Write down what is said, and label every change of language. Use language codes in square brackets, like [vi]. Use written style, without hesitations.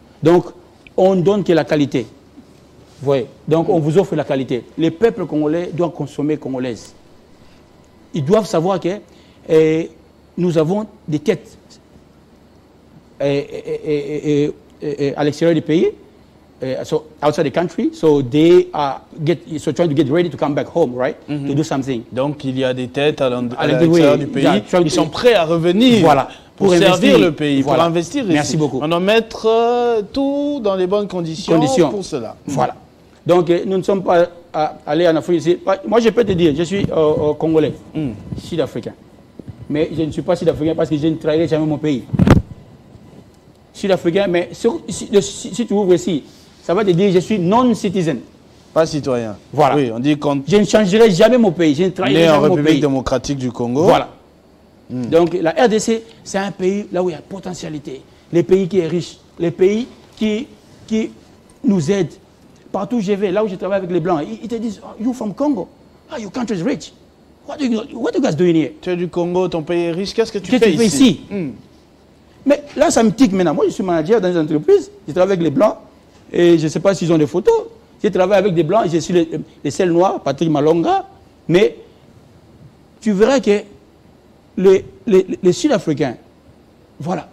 [fr] Donc, on ne donne que la qualité. Vous voyez. Donc, on vous offre la qualité. Les peuples congolais doivent consommer congolaise. Ils doivent savoir que nous avons des têtes à l'extérieur du pays. [en] So outside the country, so they are trying to get ready to come back home, right? Mm-hmm. To do something. [fr] Donc il y a des têtes à l'intérieur du pays. Ils sont prêts à revenir. Voilà. Pour servir investir. Le pays, voilà. Pour investir. Merci ici. Beaucoup. On doit mettre tout dans les bonnes conditions pour cela. Voilà. Donc nous ne sommes pas allés en Afrique. Moi je peux te dire, je suis congolais, sud-africain. Mais je ne suis pas sud-africain parce que je ne trahirai jamais mon pays. Sud-africain, mais si tu ouvres ici, ça va te dire je suis non-citizen. Pas citoyen. Voilà. Oui, on dit qu'on... Je ne changerai jamais mon pays. Je ne trahirai jamais mon pays. Né en République démocratique du Congo. Voilà. Donc la RDC, c'est un pays là où il y a potentialité. Les pays qui est riche, les pays qui nous aident. Partout où je vais, là où je travaille avec les Blancs, ils te disent, [en] oh, you from Congo. Ah, oh, your country is rich. What are you guys doing here? [fr] Tu es du Congo, ton pays est riche, qu'est-ce que tu fais ici? Mais là, ça me tique maintenant. Moi, je suis manager dans une entreprise. Je travaille avec les Blancs. Et je ne sais pas s'ils ont des photos. Je travaille avec des Blancs. Je suis les seuls Noirs, Patrick Malonga. Mais tu verras que les Sud-Africains, voilà.